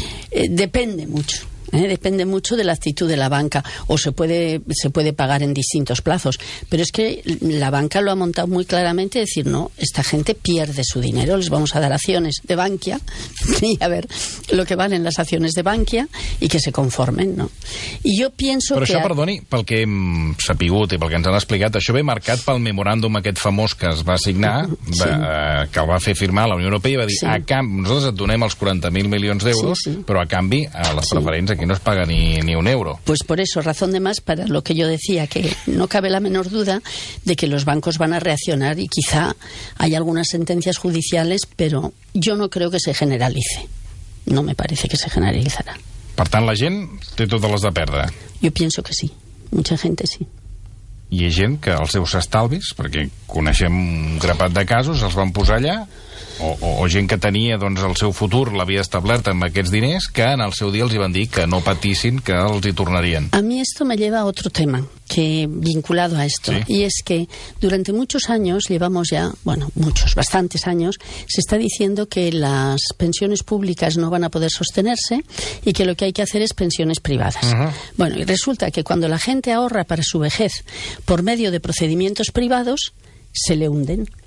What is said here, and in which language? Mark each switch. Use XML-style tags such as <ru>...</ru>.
<es>Depende mucho. Depende mucho de la actitud de la banca, o se puede pagar en distintos plazos, pero es que la banca lo ha montado muy claramente, decir, no, esta gente pierde su dinero, les vamos a dar acciones de Bankia y a ver lo que valen las acciones de Bankia y que se conformen, ¿no? Y yo pienso</es> <ca>però que... Però això, perdoni, pel que hem sapigut i pel que ens han explicat, això ve marcat pel memoràndum aquest famós que es va signar, sí. Que el va fer firmar la Unió Europea i va dir, sí. Nosaltres et donem els 40.000 milions d'euros, sí, sí. Però a canvi, a les preferències, que no es paga ni un euro.</ca> <es>Pues por eso, razón de más para lo que yo decía, que no cabe la menor duda de que los bancos van a reaccionar y quizá hay algunas sentencias judiciales, pero yo no creo que se generalice. No me parece que se generalizará.</es> <ca>Per tant, la gent té totes les de perdre.</ca> <es>Yo pienso que sí. Mucha gente sí.</es> <ca>Hi ha gent que els seus estalvis, perquè coneixem un grapat de casos, els van posar allà, o gent que tenia doncs, el seu futur, l'havia establert amb aquests diners, que en el seu dia els hi van dir que no patissin, que els hi tornarien.</ca> <es>A mi esto me lleva a otro tema que vinculado a esto, sí. Y es que durante muchos años, llevamos ya, bueno, muchos, bastantes años, se está diciendo que las pensiones públicas no van a poder sostenerse y que lo que hay que hacer es pensiones privadas. Uh-huh. Bueno, y resulta que cuando la gente ahorra para su vejez por medio de procedimientos privados, se le hunden.</es>